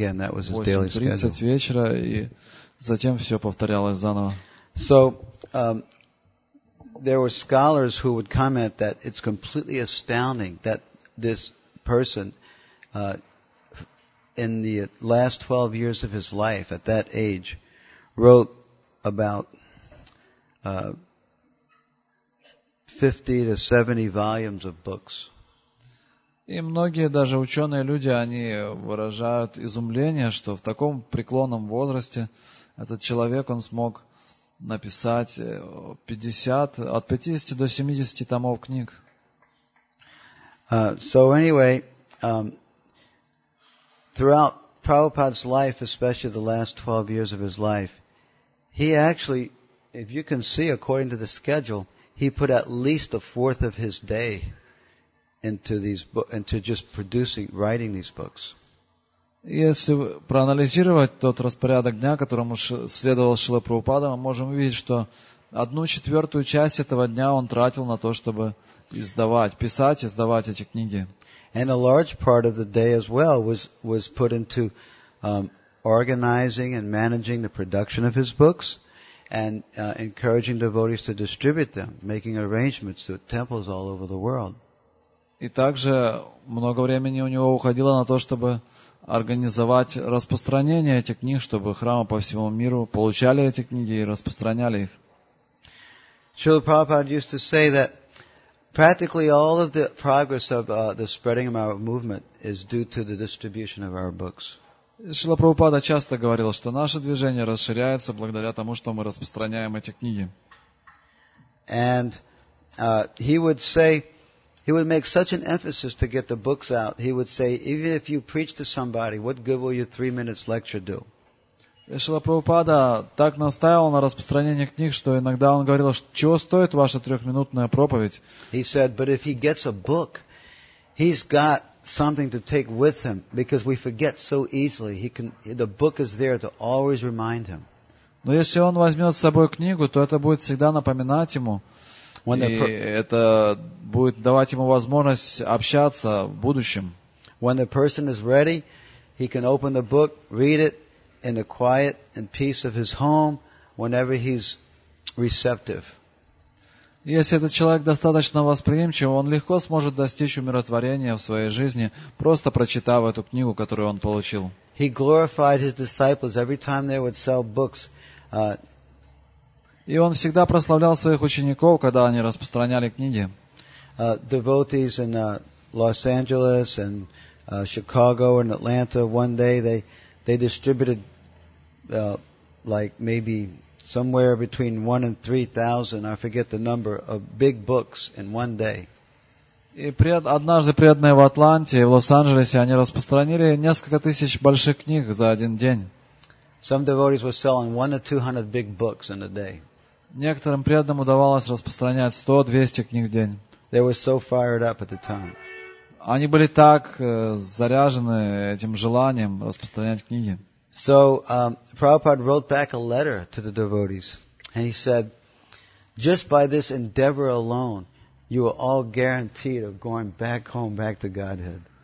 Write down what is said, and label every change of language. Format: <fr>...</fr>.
<ru>8:30 вечера и затем все повторялось заново.</ru> <en>So, there were scholars who would comment that it's completely astounding that this person in the last 12 years of his life at that age wrote about 50 to 70 volumes of books.</en> <ru>И многие даже ученые люди, они выражают изумление, что в таком преклонном возрасте этот человек он смог написать 50 от 50 до 70 томов книг.</ru> <en>So anyway, throughout Prabhupada's life, especially the last 12 years of his life, he actually, if you can see according to the schedule, he put at least a fourth of his day into just producing, writing these books.</en> <ru>Если проанализировать тот распорядок дня, которому следовал Шрила Прабхупада, мы можем увидеть, что 1/4 часть этого дня он тратил на то, чтобы издавать, писать, издавать эти книги.</ru> <en>And a large part of the day as well was put into organizing and managing the production of his books. And encouraging devotees to distribute them, making arrangements to temples all over the world.</en> <ru>И также много времени у него уходило на то, чтобы организовать распространение этих книг, чтобы храмы по всему миру получали эти книги и распространяли их.</ru> <en>Srila Prabhupada used to say that practically all of the progress of the spreading of our movement is due to the distribution of our books.</en> <ru>Шрила Прабхупада часто говорил, что наше движение расширяется благодаря тому, что мы распространяем эти книги.</ru> <en>And he would say, he would make such an emphasis to get the books out. He would say, even if you preach to somebody, what good will your 3 minutes lecture do?</en> <ru>Шрила Прабхупада так настаивал на распространении книг, что иногда он говорил, чего стоит ваша трехминутная проповедь?</ru> <en>He said, but if he gets a book, he's got something to take with him, because we forget so easily. The book is there to always remind him.</en> <ru>Но если он возьмет с собой книгу, то это будет всегда напоминать ему, и это будет давать ему возможность общаться в будущем.</ru> <en>When the person is ready, he can open the book, read it in the quiet and peace of his home, whenever he's receptive.</en> <ru>Если этот человек достаточно восприимчив, он легко сможет достичь умиротворения в своей жизни, просто прочитав эту книгу, которую он получил.</ru> <en>He glorified his disciples every time they would sell books.</en> <ru>И он всегда прославлял своих учеников, когда они распространяли книги.</ru> <en>Devotees in Los Angeles and Chicago and Atlanta, one day they distributed like maybe somewhere between 1,000 and 3,000, I forget the number, of big books in one day.</en> <ru>И однажды преданные в Атланте, в Лос-Анджелесе, они распространили несколько тысяч больших книг за один день.</ru> <en>Some devotees were selling 100 to 200 big books in a day.</en> <ru>Некоторым преданным удавалось распространять 100-200 книг в день.</ru> <en>They were so fired up at the time.</en> <ru>Они были так заряжены этим желанием распространять книги.</ru> <en>So Prabhupada wrote back a letter to the devotees, and he said, just by this endeavor alone, you are all guaranteed of going back home, back to Godhead.</en>